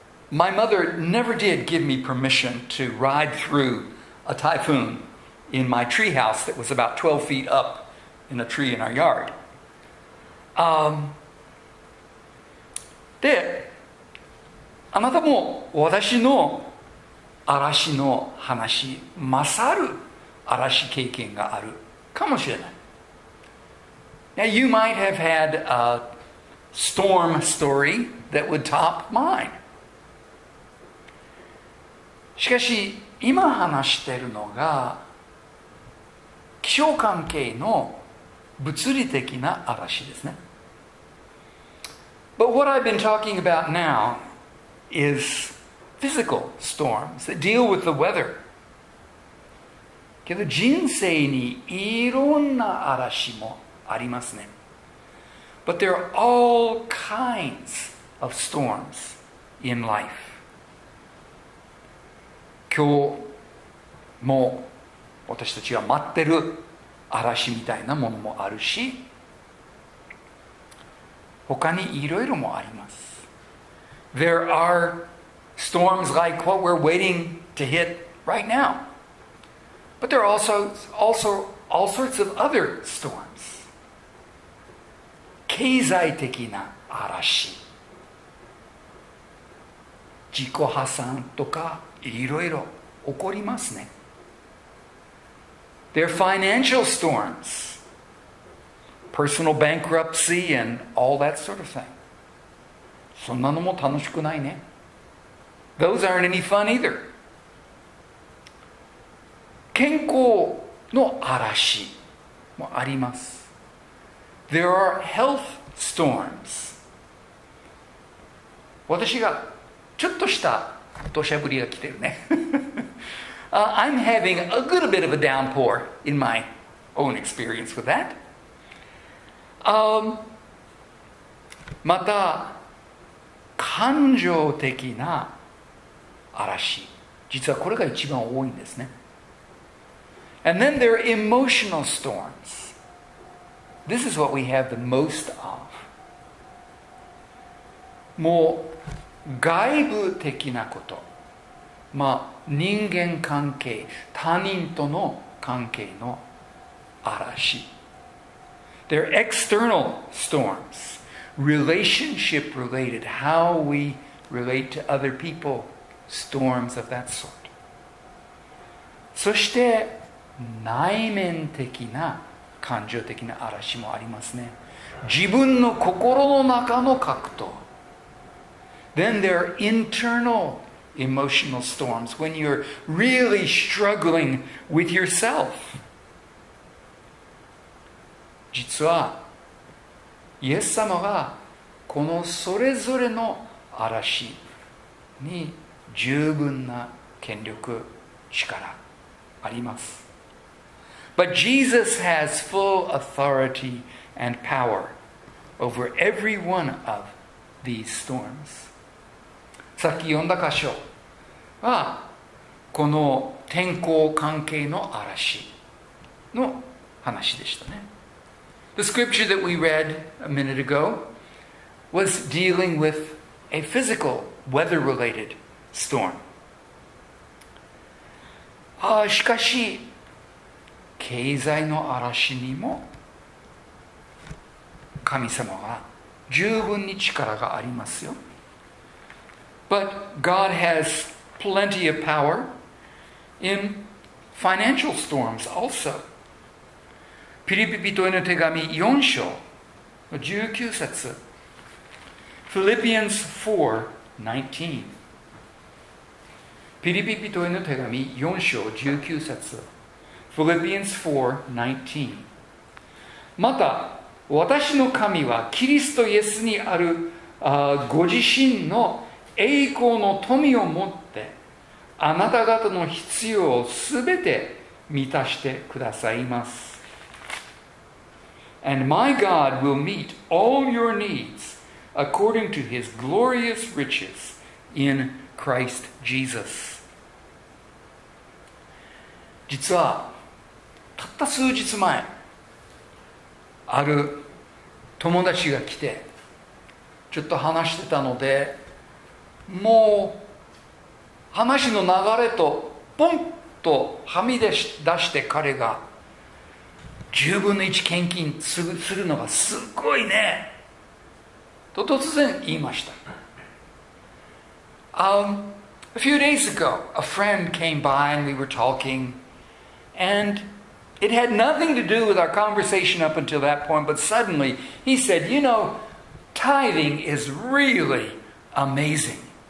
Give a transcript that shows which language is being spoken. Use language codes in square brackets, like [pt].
[en] My mother never did give me permission to ride through a typhoon in my treehouse that was about 12 feet up in a tree in our yard. [ja] で、あなたも私の嵐の話、勝る嵐経験があるかもしれない。 [en] Now you might have had a storm story that would top mine. [ja] しかし今話しているのが気象関係の物理的な嵐ですね。 [en] But what I've been talking about now is physical storms that deal with the weather. [ja] けど人生にいろんな嵐もありますね。 [en] But there are all kinds of storms in life. [ja] 今日も私たちが待ってる嵐みたいなものもあるし、他にいろいろもあります。 [en] There are storms like what we're waiting to hit right now, but there are also all sorts of other storms. [ja] 経済的な嵐、自己破産とかいろいろ。起こりますね。 [en] There are financial storms, personal bankruptcy, and all that sort of thing. [ja] そんなのも楽しくないね。 [en] Those aren't any fun either. [ja] 健康の嵐もあります。 [en] There are health storms. [ja] 私がちょっとした土砂降りが来てるね。 [en] I'm having a good bit of a downpour in my own experience with that. [ja] また感情的な嵐、実はこれが一番多いんですね。 [en] And then there are emotional storms. This is what we have the most of. [ja] もう外部的なこと、まあ人間関係、他人との関係の嵐。 [en] They're external storms, relationship related, how we relate to other people, storms of that sort. [ja] そして内面的な感情的な嵐もありますね。自分の心の中の格闘。 [en] Then there are internal emotional storms when you're really struggling with yourself. [ja] 実はイエス様がこのそれぞれの嵐に十分な権力、力あります。 [en] But Jesus has full authority and power over every one of these storms. [ja] さっき読んだ箇所はこの天候関係の嵐の話でしたね。 [en] The scripture that we read a minute ago was dealing with a physical weather-related storm. [ja] しかし経済の嵐にも神様は十分に力がありますよ。 [en] But God has plenty of power in financial storms also. [ja] ピリピ人への手紙4章の19節。 [en] Philippians 4:19. [ja] ピリピ人への手紙4章19節。 [en] Philippians 4:19. [ja] また、私の神はキリストイエスにあるご自身の栄光の富をもってあなた方の必要をすべて満たしてくださいます。 [en] And my God will meet all your needs according to his glorious riches in Christ Jesus. [ja] 実はたった数日前、ある友達が来てちょっと話してたので、もう話の流れとポンとはみ出して彼が10分の1献金するのがすごいねと突然言いました。 [en] A few days ago a friend came by and we were talking, andIt had nothing to do with our conversation up until that point, but suddenly he said, you know, tithing is really amazing.